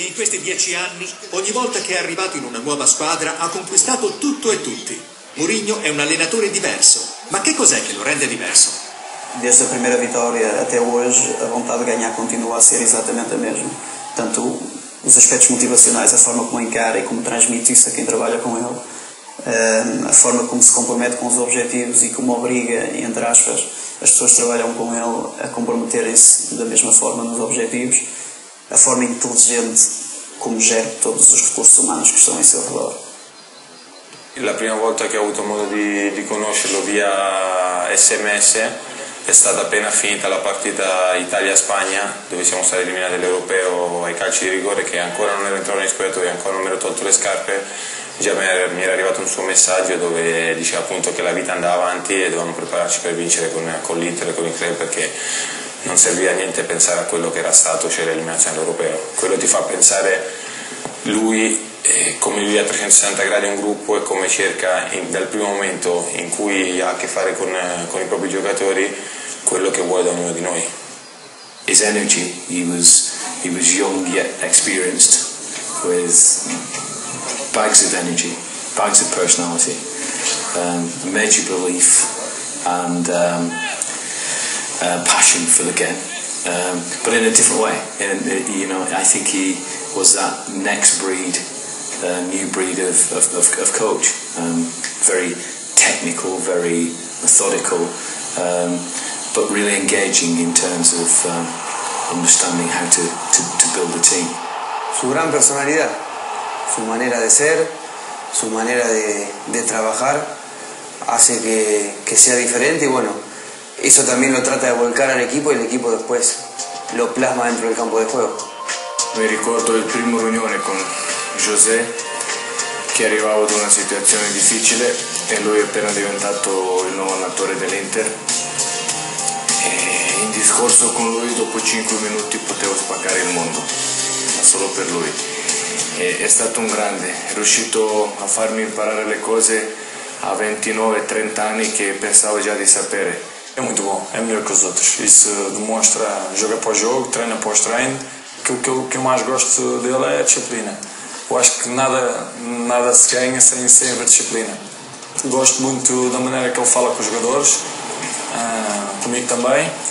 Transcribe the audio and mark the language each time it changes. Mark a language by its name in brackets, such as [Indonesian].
[Italian] questi 10 anni, ogni volta che è arrivato in una nuova squadra ha conquistato tutto e tutti. Mourinho è un allenatore diverso, ma che cos'è che lo rende diverso? [Portuguese] Desde a primeira vitória até hoje, a vontade de ganhar continua a ser exatamente a mesma. Tanto os aspectos motivacionais, a forma como encara e como transmite isso a quem trabalha com ele, a forma como se compromete com os objetivos e como obriga, entre aspas, as pessoas que trabalham com ele a comprometerem-se da mesma forma nos objetivos, a forma inteligente como gera todos os recursos humanos que estão em seu redor. A primeira vez que eu tive modo de conhecê-lo via SMS, [Italian] è stata appena finita la partita Italia-Spagna, dove siamo stati eliminati dall'Europeo ai calci di rigore, che ancora non ero entrato negli spogliatoi, ancora non mi ero tolto le scarpe. Già mi era arrivato un suo messaggio dove diceva appunto che la vita andava avanti e dovevamo prepararci per vincere con l'Inter e con il club, perché non serviva a niente pensare a quello che era stato, cioè l'eliminazione all'Europeo. Quello ti fa pensare lui, come lui a 360 gradi un gruppo e come cerca dal primo momento in cui ha a che fare con i propri giocatori quello che vuole da ognuno di noi. [English] His energy, he was young yet experienced, with bags of energy, bags of personality, major belief and passion for the game. But in a different way. I think he was that next breed. A new breed of coach, very technical, very methodical, but really engaging in terms of understanding how to build a team. [Spanish] Su gran personalidad, su manera de ser, su manera de trabajar hace que sea diferente y bueno, eso también lo trata de volcar al equipo y el equipo después lo plasma dentro del campo de juego. Me recuerdo el primer reunión con José, [Italian] che arrivavo da una situazione difficile e lui è appena diventato il nuovo allenatore dell'Inter. E in discorso con lui dopo 5 minuti potevo spaccare il mondo, ma solo per lui. E è stato un grande, è riuscito a farmi imparare le cose a 29-30 anni che pensavo già di sapere. È molto buono, è migliore che gli altri. [Portuguese] Isso [Italian] dimostra gioco [Portuguese] após gioco, treino após treino. [Italian] Quello che [Portuguese] eu mais gosto dele è disciplina. Eu acho que nada se ganha sem haver disciplina. Gosto muito da maneira que ele fala com os jogadores, comigo também.